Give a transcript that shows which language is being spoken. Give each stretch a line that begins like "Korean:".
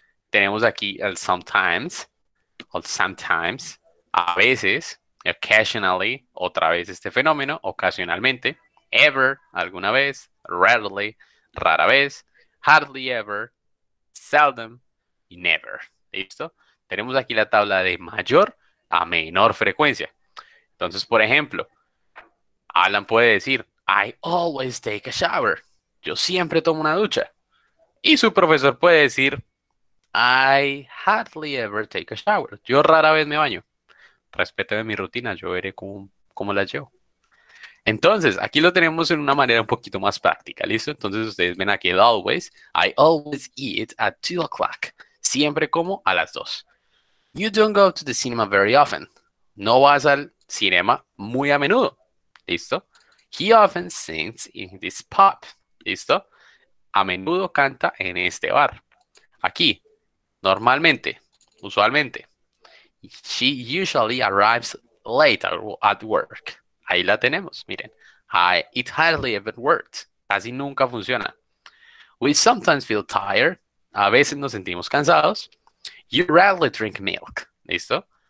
Spanish: Tenemos aquí el sometimes, o sometimes, a veces, occasionally, otra vez este fenómeno, ocasionalmente, ever, alguna vez, rarely, rara vez, hardly ever, seldom y never. ¿Listo? Tenemos aquí la tabla de mayor a menor frecuencia. Entonces, por ejemplo, Alan puede decir,
English: I always take a shower.
Spanish: Yo siempre tomo una ducha. Y su profesor puede decir,
English: I hardly ever take a shower.
Spanish: Yo rara vez me baño. Respéteme mi rutina, yo veré cómo la llevo. Entonces, aquí lo tenemos en una manera un poquito más práctica, ¿listo? Entonces, ustedes ven aquí el always.
English: I always eat at 2 o'clock.
Spanish: Siempre como a las 2.
English: You don't go to the cinema very often.
Spanish: No vas al cinema muy a menudo, ¿listo?
English: He often sings in this pub, ¿listo?
Spanish: A menudo canta en este bar. Aquí, normalmente, usualmente.
English: She usually arrives late at work.
Spanish: Ahí la tenemos, miren.
English: It hardly ever works.
Spanish: Casi nunca funciona.
English: We sometimes feel tired.
Spanish: A veces nos sentimos cansados.
English: You rarely drink milk.
Spanish: ¿Listo?